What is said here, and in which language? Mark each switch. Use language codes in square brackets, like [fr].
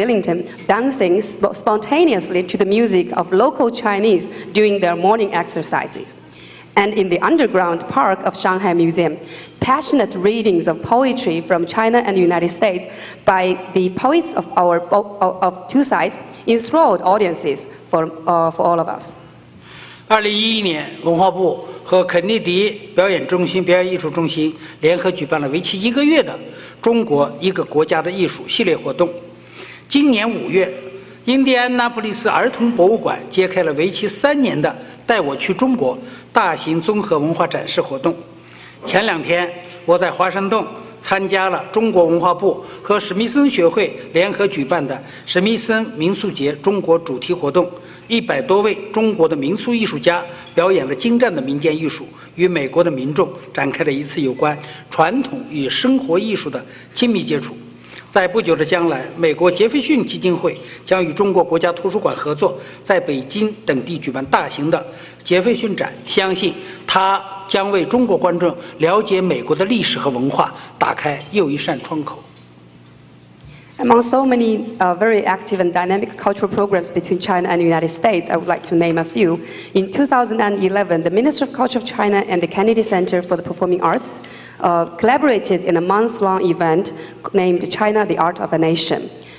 [en] Billington dancing spontaneously to the music of local Chinese during their morning exercises. And in the underground park of Shanghai Museum, passionate readings of poetry from China and the United States by the poets of our of two sides enthralled audiences for all of us. [zh] 2011年，文化部和肯尼迪表演中心、表演艺术中心联合举办了为期一个月的中国一个国家的艺术系列活动。今年五月，印第安纳波利斯儿童博物馆揭开了为期三年的“带我去中国”大型综合文化展示活动。前两天，我在华盛顿参加了中国文化部和史密森学会联合举办的史密森民俗节中国主题活动，100多位中国的民俗艺术家表演了精湛的民间艺术，与美国的民众展开了一次有关传统与生活艺术的亲密接触。在不久的将来，美国杰斐逊基金会将与中国国家图书馆合作，在北京等地举办大型的杰斐逊展，相信它将为中国观众了解美国的历史和文化打开又一扇窗口。 [en] Among so many very active and dynamic cultural programs between China and the United States, I would like to name a few. In 2011, the Ministry of Culture of China and the Kennedy Center for the Performing Arts collaborated in a month-long event named China, the Art of a Nation.